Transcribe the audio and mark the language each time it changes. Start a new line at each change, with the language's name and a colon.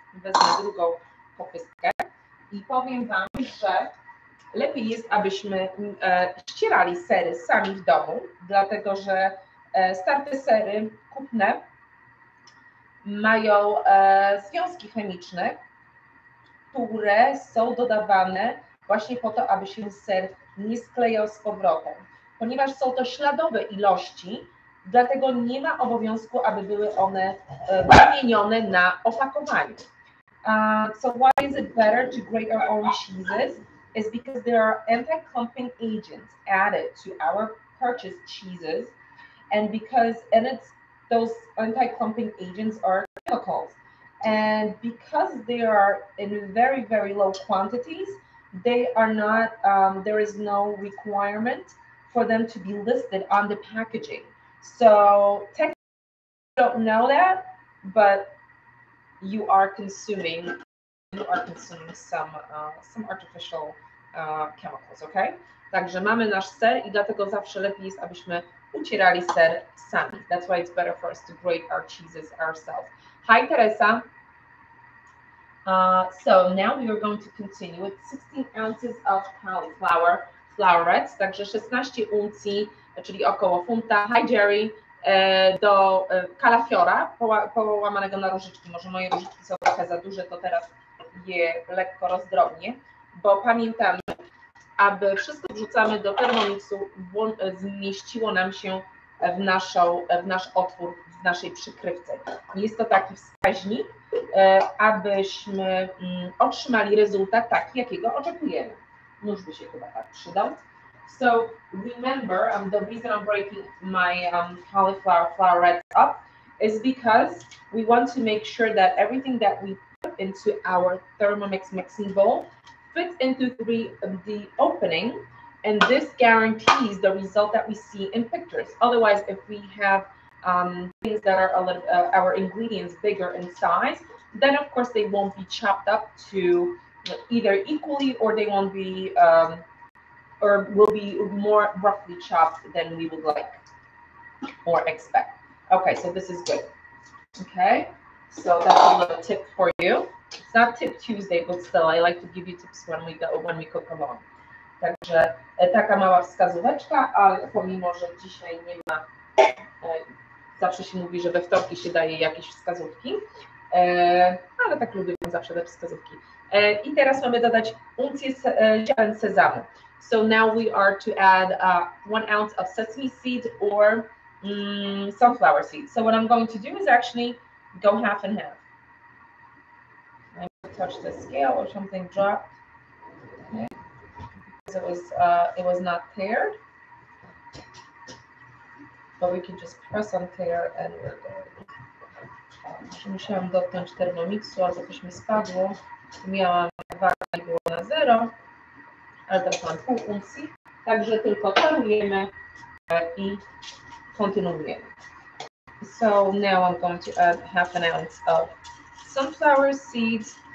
Polish: Wezmę drugą popyskę. I powiem Wam, że lepiej jest, abyśmy ścierali sery sami w domu, dlatego że starte sery kupne mają związki chemiczne, które są dodawane właśnie po to, aby się ser nie sklejał z powrotem. Ponieważ są to śladowe ilości, dlatego nie ma obowiązku, aby były one wymienione na opakowaniu.
English: So why is it better to grate our own cheeses? It's because there are anti-clumping agents added to our purchased cheeses. And because, and it's those anti-clumping agents are chemicals. And because they are in very, very low quantities, they are not, there is no requirement for them to be listed on the packaging. So technically, you don't know that, but you are consuming some artificial chemicals, okay?
Polish: Także mamy nasz ser i dlatego zawsze lepiej jest, abyśmy ucierali ser sami.
English: That's why it's better for us to grate our cheeses ourselves. Hi, Teresa. So now we are going to continue with 16 ounces of cauliflower flowerets,
Polish: także 16 uncji, czyli około funta. Hi Jerry, do kalafiora połamanego na różyczki. Może moje różyczki są trochę za duże, to teraz je lekko rozdrobnię, bo pamiętamy, aby wszystko wrzucamy do Thermomixu, zmieściło nam się w nasz otwór, w naszej przykrywce. Jest to taki wskaźnik, abyśmy otrzymali rezultat taki, jakiego oczekujemy. Nóż by się chyba tak przydał.
English: So remember, the reason I'm breaking my cauliflower flowerets up is because we want to make sure that everything that we put into our Thermomix mixing bowl fits into the opening, and this guarantees the result that we see in pictures. Otherwise, if we have things that are a little, our ingredients bigger in size, then of course they won't be chopped up to either equally, or they won't be, or will be more roughly chopped than we would like or expect. Okay, so this is good. Okay, so that's a little tip for you. It's not Tip Tuesday, but still, I like to give you tips when we go, when we cook along.
Polish: Także taka mała wskazóweczka, ale pomimo, że dzisiaj nie ma, zawsze się mówi, że we wtorki się daje jakieś wskazówki, ale tak lubię zawsze te wskazówki. I teraz mamy dodać uncję ziaren sezamu.
English: So now we are to add 1 ounce of sesame seed or sunflower seed. So what I'm going to do is actually go half and half. I'm going to touch the scale or something dropped. It was not paired, but we can just press on pair and we're good.
Polish: Musiałam dotknąć termomiksu, ale coś mi spadło. Miałam wagę, było na zero, ale teraz mam pół uncji. Także tylko tarujemy i kontynuujemy.
English: So now I'm going to add half an ounce of sunflower seeds.